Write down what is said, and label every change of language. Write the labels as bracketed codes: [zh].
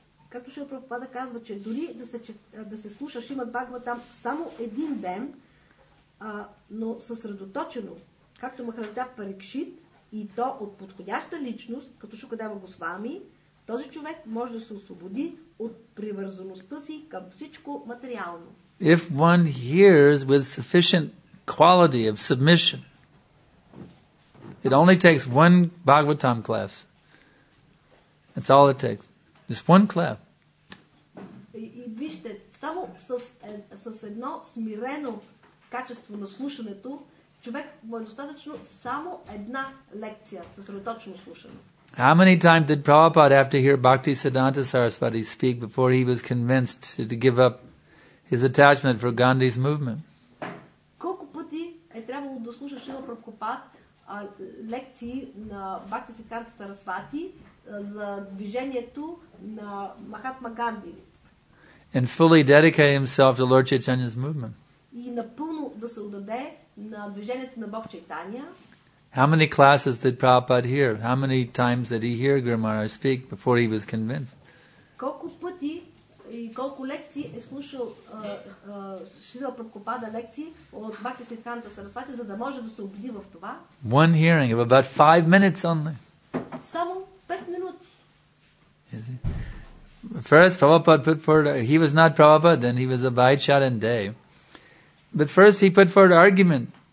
[bg] Както Шрила Прабхупада казва, че дори да се слуша Шримад Бхагаватам само един ден, но съсредоточено, както Махараджа Парикшит, и то от подходяща личност, като Шукадева Госвами, този човек може да се освободи от привързаността си към всичко материално. [en] If one hears with sufficient quality of submission, it only takes one Bhagavatam class. That's all it takes. Just one class. [bg] И вижте, само с едно смирено качество на слушането, човек му е достатъчно само една лекция, съсредоточено слушане. [en] How many times did Prabhupada have to hear Bhakti Siddhanta Sarasvati speak before he was convinced to give up his attachment for Gandhi's movement? [bg] Колко пъти е трябвало да слуша Шрила Прабхупад лекции на Бхакти Сиддханта Сарасвати за движението на Махатма Ганди? [en] And fully dedicate himself to Lord Chaitanya's movement. [bg] И напълно да се отдаде на движението на Бог Чайтания. [en] How many classes did Prabhupada hear? How many times did he hear Guru Maharaj speak before he was convinced? [bg] Колко пъти и колко лекции е слушал Шрила Прабхупада лекции от Бхакти Сиддханта Сарасвати, за да може да се убеди в това? [en] One hearing of about 5 minutes only. [bg] Само 5 минути. [en] First, Prabhupada put forward, he was not Prabhupada, then he was a Vaishnava and Day. But first he put forward argument.